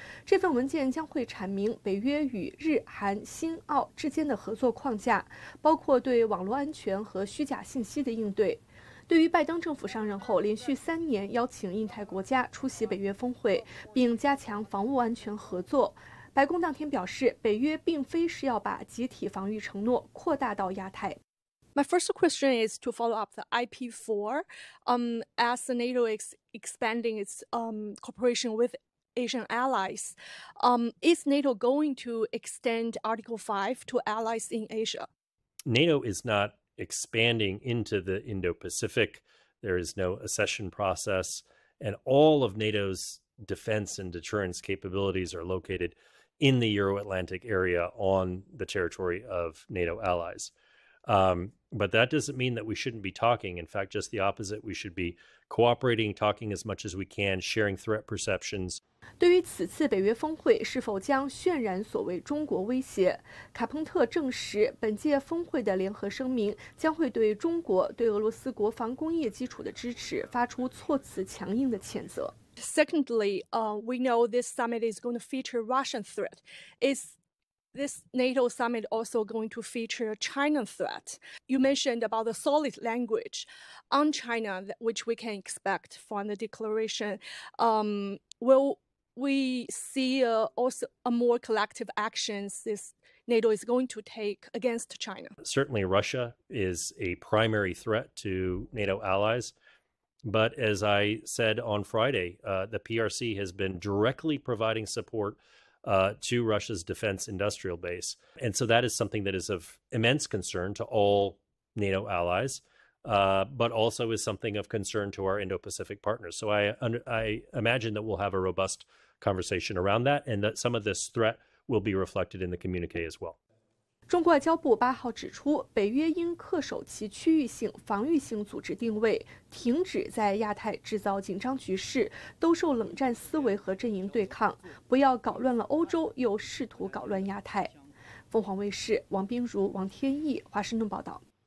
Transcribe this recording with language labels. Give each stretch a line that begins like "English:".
Chinese: 这份文件将会阐明北约与日、韩、新、澳之间的合作框架，包括对网络安全和虚假信息的应对。对于拜登政府上任后连续3年邀请印太国家出席北约峰会，并加强防务安全合作，白宫当天表示，北约并非是要把集体防御承诺扩大到亚太。
English: My first question is to follow up the IP4. As NATO is expanding its cooperation with Asian allies, is NATO going to extend Article 5 to allies in Asia? NATO is not expanding into the Indo-Pacific. There is no accession process, and all of NATO's defense and deterrence capabilities are located. In the Euro-Atlantic area on the territory of NATO allies. But that doesn't mean that we shouldn't be talking. In fact, just the opposite. We should be cooperating, talking as much as we can, sharing threat perceptions.
Chinese: 对于此次北约峰会是否将渲染所谓中国威胁，卡彭特证实本届峰会的联合声明将会对中国对俄罗斯国防工业基础的支持发出措辞强硬的谴责。
English: Secondly, we know this summit is going to feature Russian threat. Is this NATO summit also going to feature China threat? You mentioned about the solid language on China, which we can expect from the declaration. Will we see also a more collective actions this NATO is going to take against China? Certainly Russia is a primary threat to NATO allies. But as I said on Friday, the PRC has been directly providing support to Russia's defense industrial base. And so that is something that is of immense concern to all NATO allies, but also is something of concern to our Indo-Pacific partners. So I imagine that we'll have a robust conversation around that and that some of this threat will be reflected in the communique as well.
Chinese: 中国外交部八号指出，北约应恪守其区域性、防御性组织定位，停止在亚太制造紧张局势，兜售冷战思维和阵营对抗，不要搞乱了欧洲，又试图搞乱亚太。凤凰卫视王冰如、王天翼，华盛顿报道。